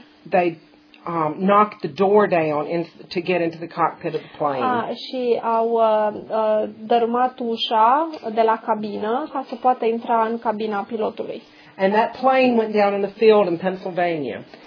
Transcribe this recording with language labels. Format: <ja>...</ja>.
<en>They knocked the door down to get into the cockpit of the plane.</en> <ro>Și au dărâmat ușa de la cabină ca să poată intra în cabina pilotului.</ro> <en>And that plane went down in the field in Pennsylvania.</en>